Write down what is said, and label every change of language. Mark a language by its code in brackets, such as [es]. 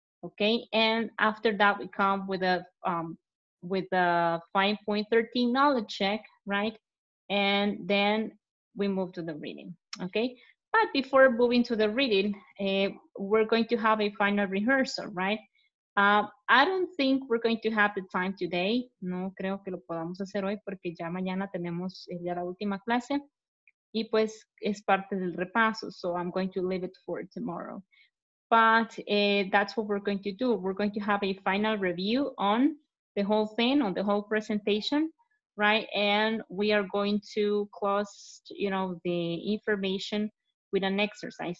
[en] Okay, and after that we come with a 5.13 knowledge check, right? And then we move to the reading, okay? But before moving to the reading, we're going to have a final rehearsal, right? I don't think we're going to have the time today. [es] No creo que lo podamos hacer hoy porque ya mañana tenemos ya la última clase y pues es parte del repaso. [en] So I'm going to leave it for tomorrow. But that's what we're going to do. We're going to have a final review on the whole thing, on the whole presentation, right? And we are going to close, you know, the information with an exercise.